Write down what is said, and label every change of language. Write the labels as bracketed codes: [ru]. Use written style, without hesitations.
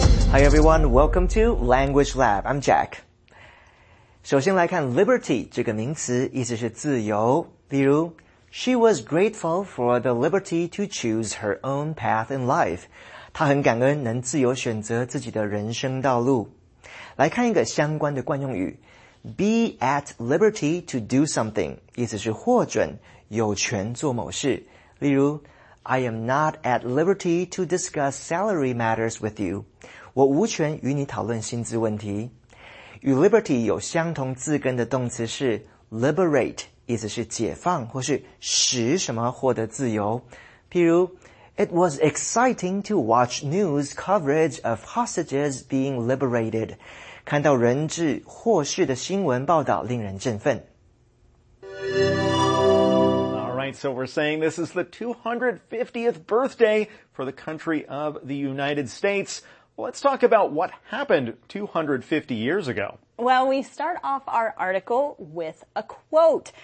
[en] Hi everyone, welcome to Language Lab. I'm Jack. [zh] 首先来看 liberty 这个名词，意思是自由，比如 [en] She was grateful for the liberty to choose her own path in life. [zh] 她很感恩能自由选择自己的人生道路。来看一个相关的惯用语。 [en] Be at liberty to do something. [zh] 意思是获准有权做某事。 [en] 例如 I am not at liberty to discuss salary matters with you. [zh] 我无权与你讨论薪资问题。与 liberty 有相同字根的动词是 liberate。意思是解放或是使什么获得自由。 [en] 譬如 It was exciting to watch news coverage of hostages being liberated. [zh] 看到人质获释的新闻报道令人振奋。 [en] Alright, so we're saying this is the 250th birthday for the country of the United States. Let's talk about what happened 250 years ago. Well, we start off our article with a quote.